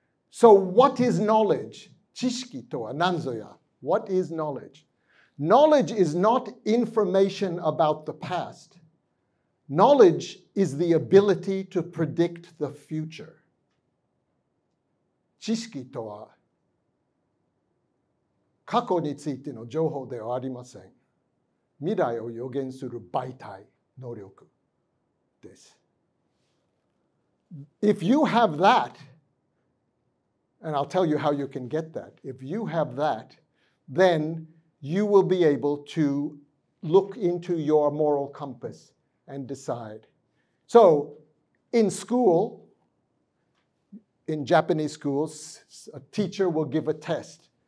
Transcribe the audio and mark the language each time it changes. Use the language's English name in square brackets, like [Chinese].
[English] So what is knowledge? [Japanese] 知識とは何ぞや? [English] What is knowledge? Knowledge is not information about the past. Knowledge is the ability to predict the future. [Japanese] 知識とは過去についての情報ではありません。未来を予言する媒体、能力です。 [English] If you have that, and I'll tell you how you can get that, if you have that, then you will be able to look into your moral compass and decide. So, in school, in Japanese schools, a teacher will give a test.